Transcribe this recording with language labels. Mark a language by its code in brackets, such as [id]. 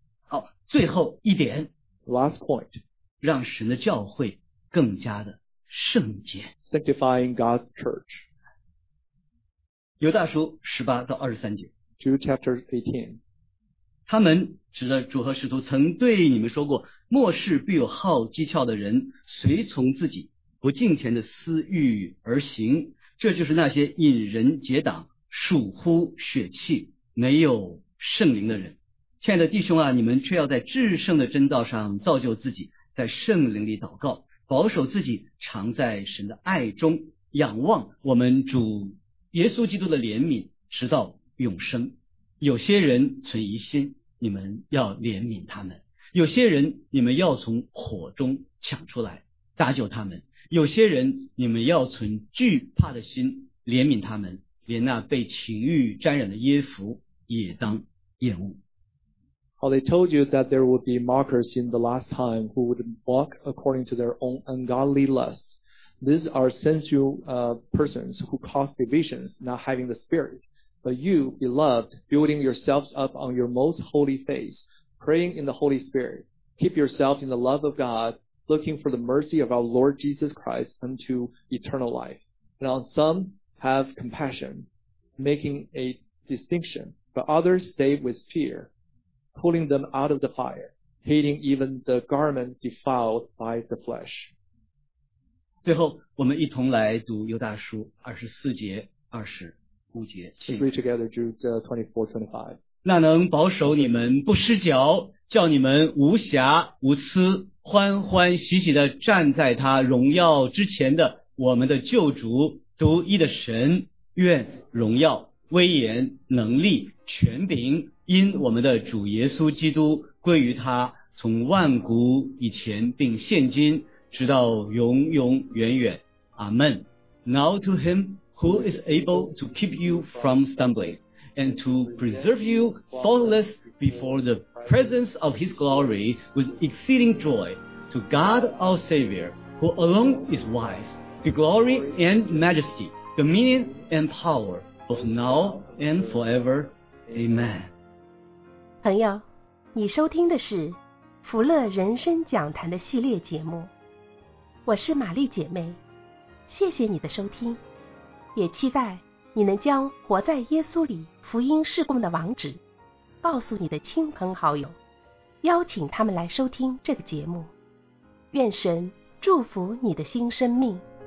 [zh] 好，最后一点。 [en] Last point. [zh] 让神的教会更加的圣洁。 [en] Sanctifying God's church. [zh] 犹大书十八到二十三节。 [en] Jude chapter 18. [zh] 他们指着主和使徒曾对你们说过。末世必有好讥诮的人，随从自己不敬虔的私欲而行，这就是那些引人结党、属乎血气、没有圣灵的人。亲爱的弟兄啊，你们却要在至圣的真道上造就自己，在圣灵里祷告，保守自己常在神的爱中，仰望我们主耶稣基督的怜悯，直到永生。有些人存疑心，你们要怜悯他们。有些人你们要从火中抢出来搭救他们，有些人你们要存惧怕的心怜悯他们，连那被情欲沾染的耶弗也当厌恶。 [en] How they told you that there would be mockers in the last time who would walk according to their own ungodly lusts. These are sensual persons who cause divisions, not having the spirit. But you, beloved, building yourselves up on your most holy faith,Praying in the Holy Spirit, keep yourself in the love of God, looking for the mercy of our Lord Jesus Christ unto eternal life. And on some have compassion, making a distinction, but others stay with fear, pulling them out of the fire, hating even the garment defiled by the flesh. [zh] 最后我们一同来读犹大书二十四节二十五节。 [en] Let's read together Jude 24-25. [zh] 那能保守你们不失脚，叫你们无瑕无疵，欢欢喜喜地站在他荣耀之前的我们的救主，独一的神，愿荣耀、威严、能力、权柄，因我们的主耶稣基督归于他，从万古以前并现今，直到永永远远。阿们。 [en] Now to him who is able to keep you from stumbling and to preserve you faultless before the presence of his glory with exceeding joy, to God our Savior, who alone is wise, be glory and majesty, dominion and power, both now and forever. Amen. [zh] 朋友，你收听的是福乐人生讲坛的系列节目，我是玛丽姐妹，谢谢你的收听，也期待你能将活在耶稣里福音事工的网址告诉你的亲朋好友，邀请他们来收听这个节目。愿神祝福你的新生命。